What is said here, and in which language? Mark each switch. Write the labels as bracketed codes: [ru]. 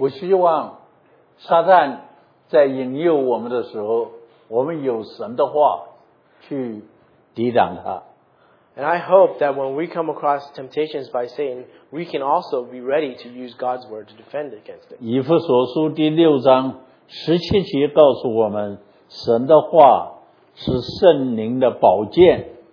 [zh] 我希望撒旦在引诱我们的时候，我们有神的话去抵挡他。 [en] And I hope that when we come across temptations by Satan, we can also be ready to use God's word to defend against it. [zh] 以弗所书第六章十七节告诉我们，神的话是圣灵的宝剑。